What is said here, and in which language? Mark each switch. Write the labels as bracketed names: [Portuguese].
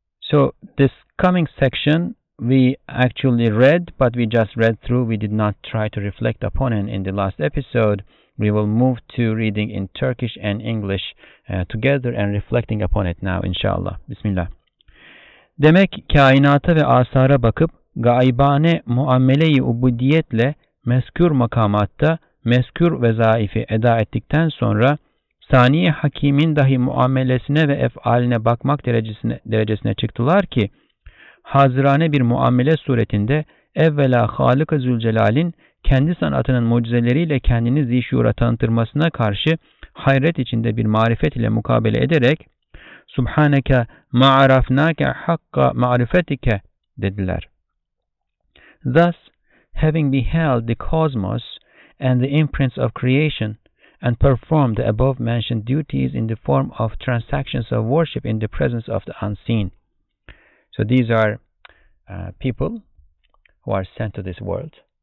[English] So this coming section we actually read, but we just read through. We did not try to reflect upon it in the last episode. We will move to reading in Turkish and English together and reflecting upon it now, inshallah. [Arabic] Bismillah. [Turkish] Demek kainata ve asara bakıp gaibane muamele-i ubudiyetle mezkür makamatta mezkür vezaifi eda ettikten sonra saniye hakimin dahi muamelesine ve efaline bakmak derecesine çıktılar ki hazirane bir muamele suretinde evvela Halık-ı Zülcelal'in kendi sanatının mucizeleriyle kendini zişura tanıtırmasına karşı hayret içinde bir marifet ile mukabele ederek [Arabic] Subhaneke ma'arafnake hakka ma'rifetike [Turkish] dediler. [English] Thus, having beheld the cosmos and the imprints of creation and performed the above-mentioned duties in the form of transactions of worship in the presence of the unseen. So these are people who are sent to this world.